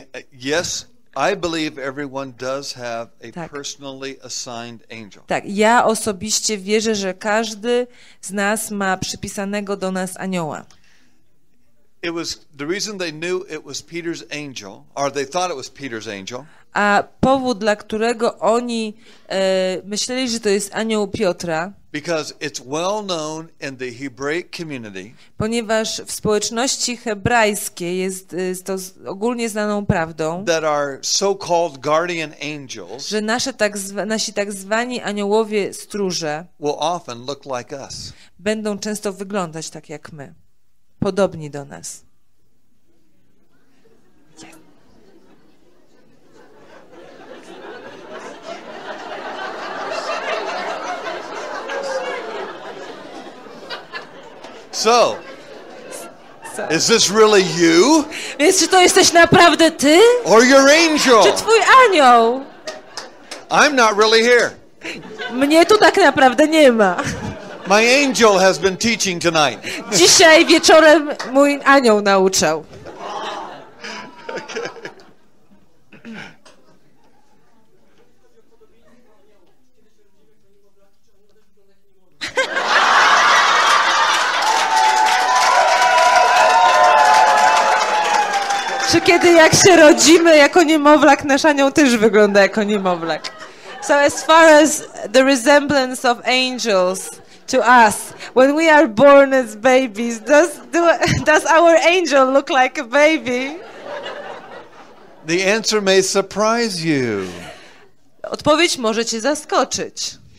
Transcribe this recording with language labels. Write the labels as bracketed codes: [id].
[en] Yes, I believe everyone does have a personally assigned angel. [pl] Tak, ja osobiście wierzę, że każdy z nas ma przypisanego do nas anioła. [en] It was the reason they knew it was Peter's angel, or they thought it was Peter's angel. [pl] A powód, dla którego oni myśleli, że to jest anioł Piotra. [en] Because it's well known in the Hebraic community. [pl] Ponieważ w społeczności hebrajskiej jest to ogólnie znaną prawdą. [en] That are so-called guardian angels. [pl] Że nasi tak zwani aniołowie stróże. [en] Will often look like us. [pl] Będą często wyglądać tak jak my. Podobni do nas. [en] So, is this really you? [pl] Więc czy to jesteś naprawdę ty? [en] Or your angel? [pl] Czy twój anioł? [en] I'm not really here. [pl] Mnie tu tak naprawdę nie ma. [en] My angel has been teaching tonight. [pl] Dzisiaj wieczorem mój anioł nauczał. Czy kiedy jak się rodzimy jako niemowlak, nasz anioł też wygląda jako niemowlak? [en] So as far as the resemblance of angels to us, when we are born as babies, does our angel look like a baby? The answer may surprise you. [pl] Odpowiedź może cię zaskoczyć.